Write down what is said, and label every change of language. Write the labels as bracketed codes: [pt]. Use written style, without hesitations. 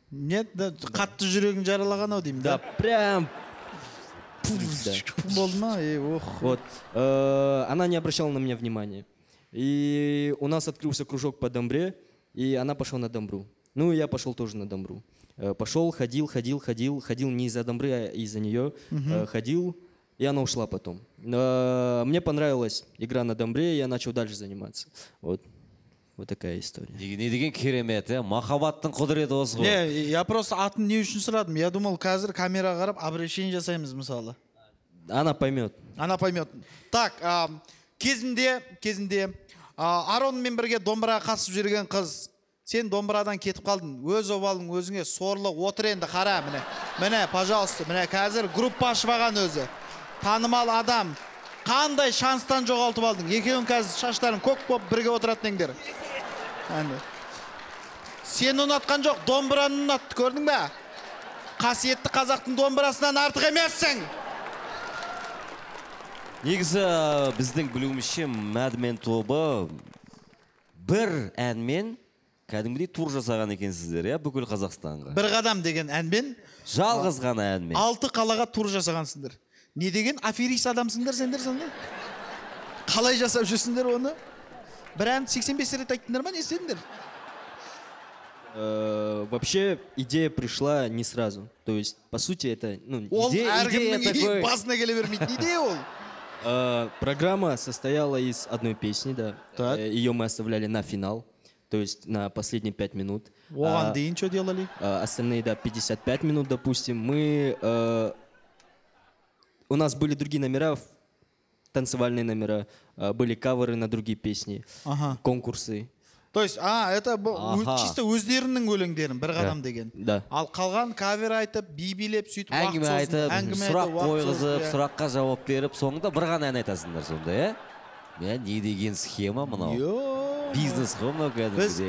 [ru] Нет, да, [kk] қатты жүрегін жаралаған ау деймін, да? [ru] Да, прям... [kk] Болды ма? Ох. [ru] Вот. Она не обращала на меня внимания. И у нас открылся кружок по домбре, и она пошла на домбру. Ну, и я пошел тоже на домбру. Пошел, ходил, ходил, ходил, ходил не из-за домбры, а из-за нее. Ходил, и она ушла потом. Мне понравилась игра на домбре, и я начал дальше заниматься. Вот. Вот такая история. [kk] Не деген керемет, а? Махаббаттың құдіреті осы ғой. Не, [ru] я просто [kk] атын не үшін сұрадым. [ru] Я думал, [kk] қазір камераға қарап, обращение жасаймыз мысалы. [ru] Она поймет. Она поймет. [kk] Так, кезінде Аронмен бірге домбыраға қасып жүрген қыз, сен домбырадан кетіп қалдың, өз обалың өзіңе сорлы, отыр енді қара, міне, міне, [ru] пожалуйста, [kk] міне, қазір группа ашпаған өзі, танымал адам, қандай шанстан жоғалтып алдың, екеуің қазір шаштарын көк боп бірге отыратын еңдер. Сені ұнатқан жоқ, домбыраны ұнатты, көрдің бе? Қасиетті қазақтың домбырасынан артық емессің. Негізі біздің білуімізше Mad Men тобы бір әнмен кәдімгідей тур жасаған екенсіздер, иә, бүкіл Қазақстанға. Бір қадам деген әнмен. Жалғыз ғана әнмен. Алты қалаға тур жасағансыңдар. Не деген аферист адамсыңдар сендер сонда? Қалай жасап жүрсіңдер оны? Бір ән 85 рет айттыңдар ма, не сендер? [ru] Вообще идея пришла не сразу. То есть, по сути, это, ну, идея [kk] такой. Басына келе бермейтін идея ол. [ru] Программа состояла из одной песни, да. Так. Ее мы оставляли на финал. то есть на последние 5 минут. [kk] Оған дейін [ru] что делали? Остальные, да, 55 минут, допустим. Мы, у нас были другие номера, танцевальные номера, были каверы на другие песни, ага. Конкурсы. То есть, а, это ага. [kk] Чисто өздерінің өлеңдерін, бір ғадам деген. [ru] Да. [kk] Ал қалған кавер айтып, бибилеп, сөйтіп, уақыт сөзін. Әңгіме айтып, сұрақ қойғызып, сұраққа жауап беріп, соңында бір ғана ән айтасындар сонда, е? Мен не деген схема мынау? Бизнес қой мынау кәдімгідей.